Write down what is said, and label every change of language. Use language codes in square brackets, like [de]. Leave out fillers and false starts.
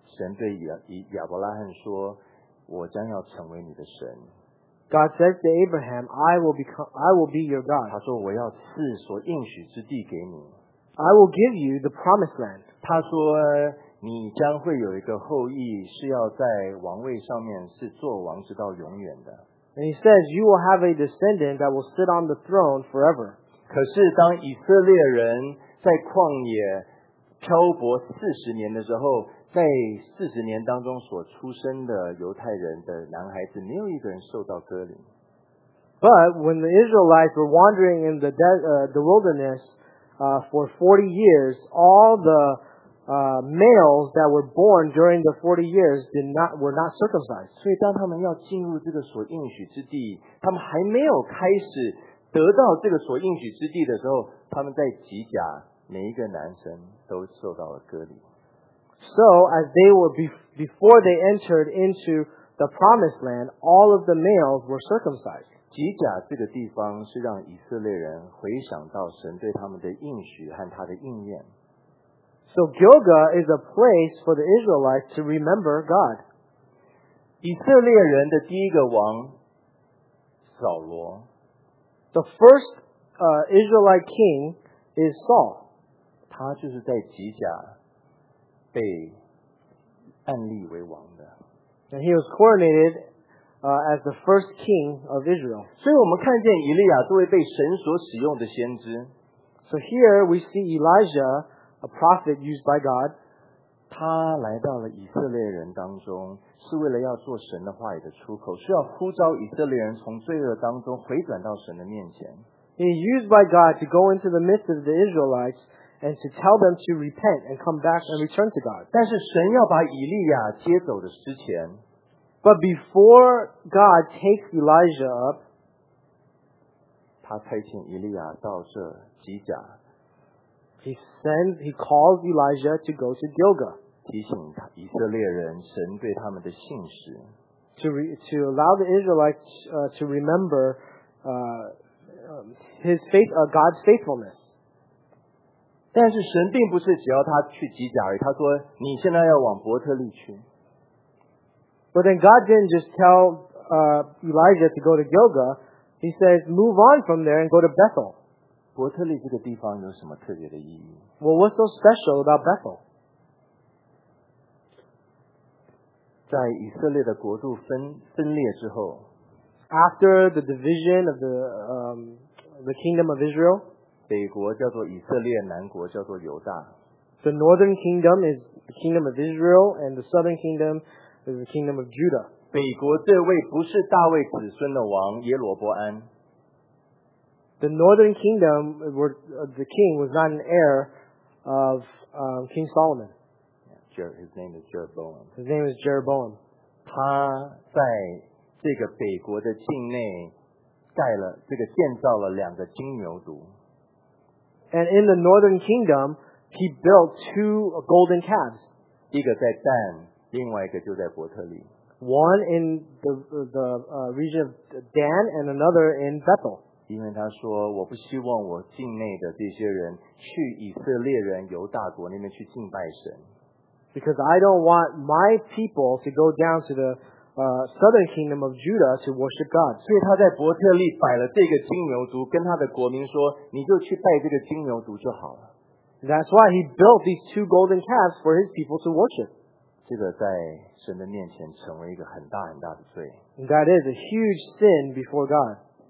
[zh] 神对亚伯拉罕说，我将要成为你的神。 [en] God says to Abraham, I will be your God. [zh] 他说，我要赐所应许之地给你。 [en] I will give you the promised land. [zh] 他说，你将会有一个后裔，是要在王位上面是做王直到永远的。 [en] And he says, you will have a descendant that will sit on the throne forever. [zh] 可是当以色列人在旷野漂泊四十年的时候，在四十年当中所出生的犹太人的男孩子，没有一个人受到割礼。 [en] But when the Israelites were wandering in the wilderness for 40 years, all the males that were born during the 40 years were not circumcised. [zh] 所以当他们要进入这个所应许之地，他们还没有开始得到这个所应许之地的时候，他们在基甲每一个男生都受到了割礼。 [en] So as they were before they entered into the promised land, all of the males were circumcised. [zh] 基甲这个地方是让以色列人回想到神对他们的应许和他的应验。 [en] So Gilgal is a place for the Israelites to remember God. [zh] 以色列人的第一个王扫罗。 [en] The first Israelite king is Saul. [zh] 他就是在基甲被按立为王的。 [en] And he was coronated as the first king of Israel. [zh] 所以我们看见以利亚作为被神所使用的先知。 [en] So here we see Elijah, a prophet used by God. [zh] 他来到了以色列人当中，是为了要做神的话语的出口，需要呼召以色列人从罪恶当中回转到神的面前。 [en] He is used by God to go into the midst of the Israelites and to tell them to repent and come back and return to God. [zh] 但是神要把以利亚接走的之前， [en] But before God takes Elijah up, [zh] 他差遣以利亚到这基甲。 [en] He calls Elijah to go to Gilgal. [zh] 提醒以色列人神对他们的信实。 [en] To allow the Israelites to remember God's faithfulness. [zh] 但是神并不是只要他去基甲而已，他说你现在要往伯特利去。 [en] But then God didn't just tell Elijah to go to Gilgal. He says move on from there and go to Bethel. [zh] 伯特利这个地方有什么特别的意义？ [en] Well, what's so special about Bethel? [zh] 在以色列的国度分裂之后， [en] After the division of the kingdom of Israel, [zh] 北国叫做以色列，南国叫做犹大。 [en] The northern kingdom is the kingdom of Israel, and the southern kingdom is the kingdom of Judah. [zh] 北国这位不是大卫子孙的王耶罗伯安。 [en] The northern kingdom, the king was not an heir of King Solomon. His name is Jeroboam. His name is Jeroboam. [zh] 他在这个北国的境内盖了这个建造了两个金牛犊。 [en] And in the northern kingdom, He built two golden calves. [zh] 一个在Dan, 另外一个就在伯特利。 [en] One in the region of Dan and another in Bethel. [zh] 因为他说,我不希望我境内的这些人去以色列人犹大国那边去敬拜神。 [en] Because I don't want my people to go down to the southern kingdom of Judah to worship God. [zh] 所以他在伯特利摆了这个金牛犊,跟他的国民说,你就去拜这个金牛犊就好了。 [en] That's why he built these two golden calves for his people to worship. [zh] 这个在神的面前成为一个很大很大的罪。 [en] That is a huge sin before God.